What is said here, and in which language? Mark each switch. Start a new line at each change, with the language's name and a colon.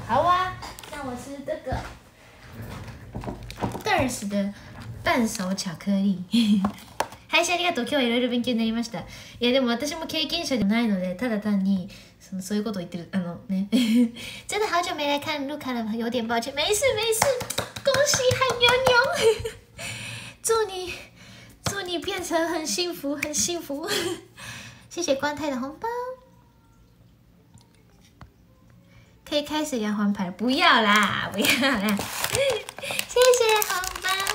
Chinese: 好啊，那我吃这个 Durs 的半熟巧克力。
Japanese: はい、ありがとう。今日はいろいろ勉強になりました。いやでも私も経験者でもないので、ただ単にそういうことを言ってる、あのね。
Chinese: 真的好久没来看露卡了，有点抱歉。没事没事，恭喜海妞妞。祝你变成很幸福很幸福。谢谢关太的红包。可以开始聊黄牌了。不要啦不要啦。谢谢红包。